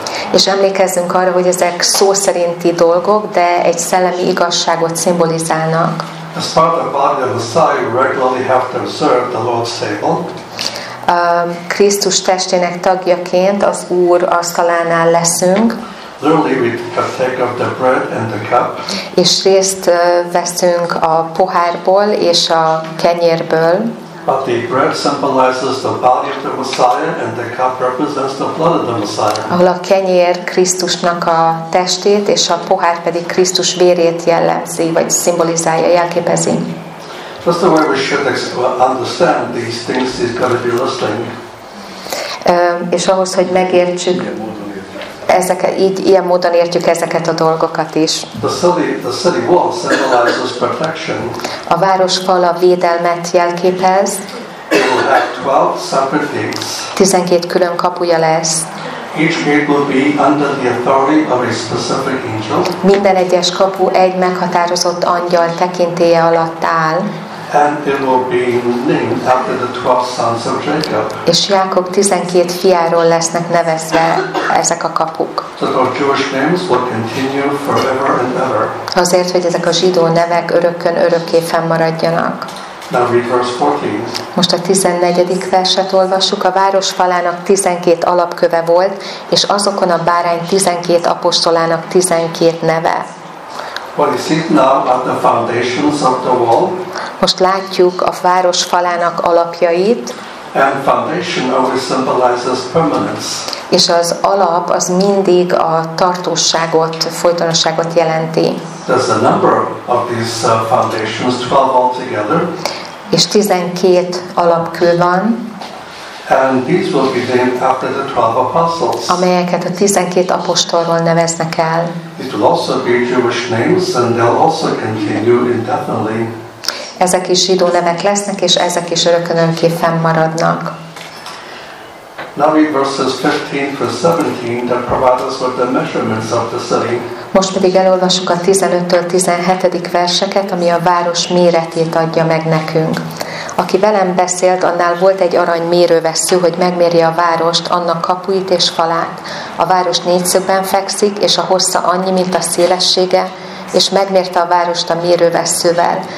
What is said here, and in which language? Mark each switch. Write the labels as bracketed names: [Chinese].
[Hungarian] És emlékezzünk arra, hogy ezek szó szerinti dolgok, de egy szellemi igazságot szimbolizálnak. [English] As part of body of Messiah, regularly have to observe the Lord's table. [Hungarian] Krisztus testének tagjaként az Úr asztalánál leszünk. [English] Literally, we partake of the bread and the cup. [Hungarian] És részt veszünk a pohárból és a kenyérből. [English] But the bread symbolizes the body of the Messiah, and the cup represents the blood of the Messiah. [Hungarian] Ahol a kenyér Krisztusnak a testét, és a pohár pedig Krisztus vérét jellemzi, vagy szimbolizálja, jelképezi. [English] Just the way we should understand these things is going to be listening. [Hungarian] És ahhoz, hogy megértsük, ezeket, így ilyen módon értjük ezeket a dolgokat is. [English] The city wall symbolizes protection. [Hungarian] A városfala védelmet jelképez. [English] It will have 12 separate gates. [Hungarian] 12 külön kapuja lesz. [English] Each gate will be under the authority of a specific angel. [Hungarian] Minden egyes kapu egy meghatározott angyal tekintélye alatt áll. [English] And it will be named after the 12 sons of Jacob. [Hungarian] És Jákob 12 fiáról lesznek nevezve ezek a kapuk. [English] So our Jewish names will continue forever and ever. [Hungarian] Azért, hogy ezek a zsidó nevek örökkön örökké fennmaradjanak. [English] Now read verse 14. [Hungarian] Most a 14. verset olvassuk. A város falának 12 alapköve volt, és azokon a bárány 12 apostolának 12 neve. [English] What is it now at the foundations of the wall? [Hungarian] Most látjuk a város falának alapjait. [English] And foundation always symbolizes permanence. [Hungarian] és az alap az mindig a tartóságot, folytonosságot jelenti. [English] There's a number of these foundations, 12 altogether. [Hungarian] És 12 alapkő van. [English] And these will be named after the 12 apostles. [Hungarian] Amelyeket a 12 apostolról neveznek el. [English] It will also be Jewish names, and they'll also continue indefinitely. [Hungarian] Ezek is zsidó nevek lesznek, és ezek is örökönönké fennmaradnak. [English] Now read verses 15 to 17 that provide us with the measurements of the city. [Hungarian] Most pedig elolvassuk a 15-től 17. verseket, ami a város méretét adja meg nekünk. Aki velem beszélt, annál volt egy arany mérővessző, hogy megmérje a várost, annak kapuit és falát. A város négyszögben fekszik, és a hossza annyi, mint a szélessége, és megmérte a várost a mérővesszővel.